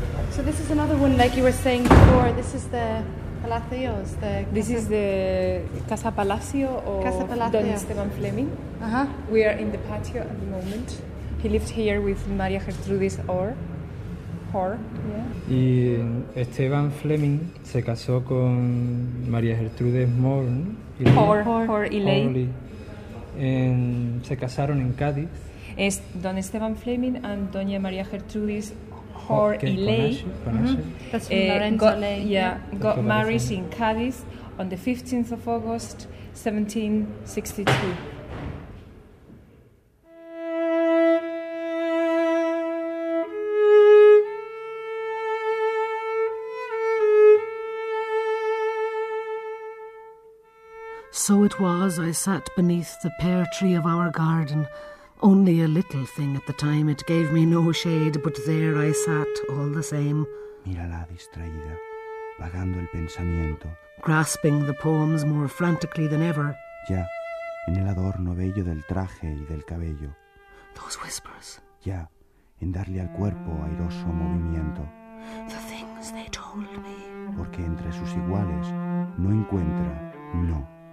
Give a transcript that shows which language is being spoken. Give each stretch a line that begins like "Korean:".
English: So this is another one, like you were saying before. This is the Palacios. This is the Casa Palacio or Casa Palacio. Don Esteban Fleming. Uh-huh. We are in the patio at the moment. He lived here with Maria Gertrudis Orr.
Spanish: Y Esteban Fleming se casó con María Gertrudes Moore, ¿no? Orly. Se casaron en Cádiz. Es don Esteban Fleming and doña María Gertrudes Moore y Ley.
English: Got married in Cádiz on the 15th of August, 1762. So it was I sat beneath the pear tree of our garden, only a little thing at the time. It gave me no shade, but there I sat all the same.
Spanish: Mírala distraída, vagando el pensamiento.
English: Grasping the poems more frantically than ever.
Spanish: Ya, en el adorno bello del traje y del cabello.
English: Those whispers.
Spanish: Ya, en darle al cuerpo airoso movimiento.
English: The things they told me.
Spanish: Porque entre sus iguales no encuentra, no.